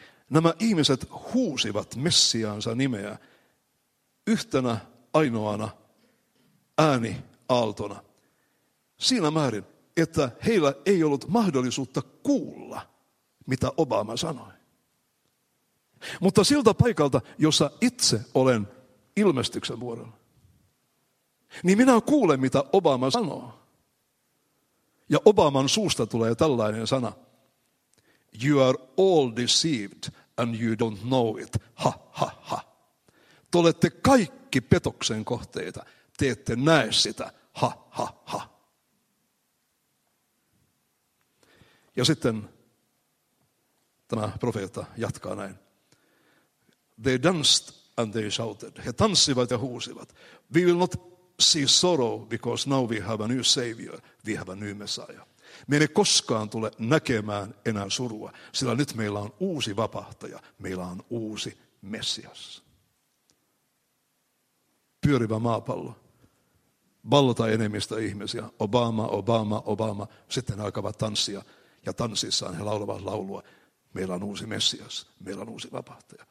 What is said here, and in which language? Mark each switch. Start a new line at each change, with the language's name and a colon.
Finnish: Nämä ihmiset huusivat Messiaansa nimeä yhtenä ainoana ääniaaltona siinä määrin, että heillä ei ollut mahdollisuutta kuulla, mitä Obama sanoi. Mutta siltä paikalta, jossa itse olen ilmestyksen vuorolla, niin minä kuulen, mitä Obama sanoo. Ja Obaman suusta tulee tällainen sana.
English: You are all deceived and you don't know it. Ha, ha, ha.
Finnish: Te olette kaikki petoksen kohteita. Te ette näe sitä. Ha, ha, ha. Ja sitten tämä profeetta jatkaa näin.
English: They danced and they shouted.
Finnish: He tanssivat ja huusivat.
English: We will not see sorrow because now we have a new savior. We have a new messiah.
Finnish: Me emme koskaan tule näkemään enää surua, sillä nyt meillä on uusi vapahtaja, meillä on uusi Messias. Pyörivä maapallo, valta enemmistö ihmisiä, Obama, Obama, Obama, sitten alkavat tanssia ja tanssissaan he laulavat laulua, meillä on uusi Messias, meillä on uusi vapahtaja.